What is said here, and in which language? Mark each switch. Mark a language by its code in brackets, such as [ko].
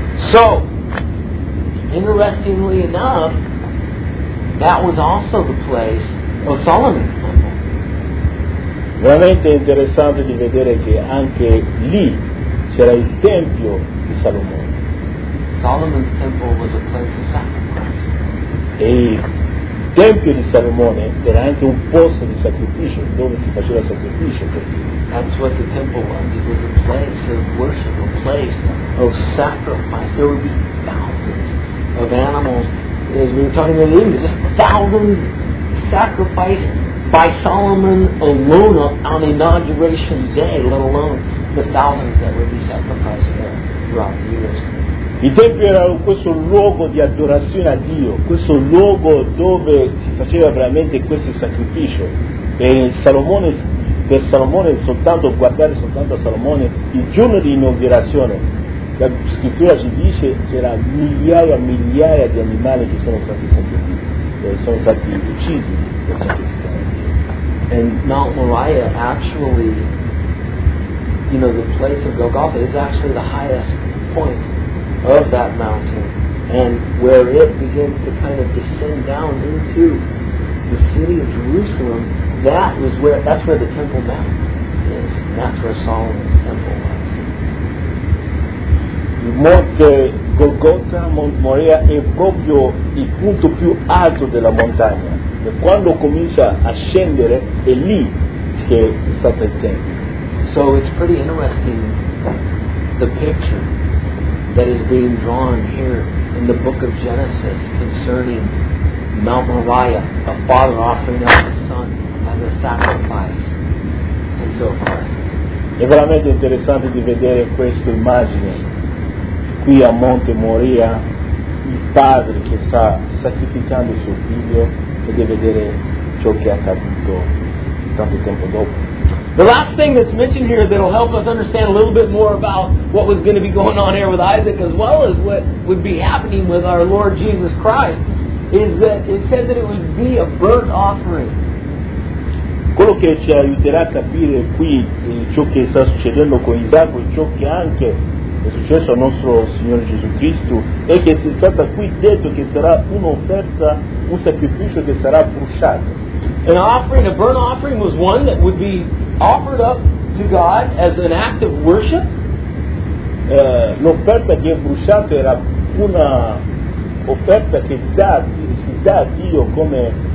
[en] So, interestingly enough, that was also the place of Solomon's temple. [it] Veramente interessante di vedere che anche lì c'era il tempio di Salomone. [en] Solomon's temple was a place of sacrifice. [it] E tempio di Salomone era anche un posto di sacrificio dove si faceva sacrificio. [en] That's what the temple was. It was a place of worship, a place of sacrifice. There would be thousands of animals, as we were talking in the evening, just thousands sacrificed by Solomon alone on inauguration day, let alone the thousands that would be sacrificed there throughout the years. [it] Il tempio era questo luogo di adorazione a Dio, questo luogo dove si faceva veramente questo sacrificio. E Salomone, per Salomone, soltanto guardare soltanto a Salomone, il giorno di inaugurazione, la scrittura ci dice c'era migliaia e migliaia di animali che sono stati sacrificati, sono stati uccisi per sacrificare a Dio. [en] And Mount Moriah actually, you know, the place of Golgotha is actually the highest point of that mountain, and where it begins to kind of descend down into the city of Jerusalem, that's where the Temple Mount is. That's where Solomon's temple was. [it] Monte Golgotha, Mount Moriah, è proprio il punto più alto della montagna. E quando comincia a scendere, è lì che è stato il tempio. [en] So it's pretty interesting, the picture that is being drawn here in the book of Genesis concerning Mount Moriah, a father offering up his son as a sacrifice, and so forth. [it] È veramente interessante di vedere questa immagine qui a Monte Moria, il padre che sta sacrificando suo figlio, e di vedere ciò che è accaduto tanto tempo dopo. [en] The last thing that's mentioned here that'll help us understand a little bit more about what was going to be going on here with Isaac, as well as what would be happening with our Lord Jesus Christ, is that it said that it would be a burnt offering. [it] Quello che ci aiuterà a capire qui ciò che sta succedendo con Isacco e ciò che anche è successo al nostro Signore Gesù Cristo è che si è stato qui detto che sarà un'offerta, un sacrificio che sarà bruciato. [en] An offering, a burnt offering, was one that would be offered up to God as an act of worship. [it] L'offerta che è bruciata era una offerta che si dà a Dio come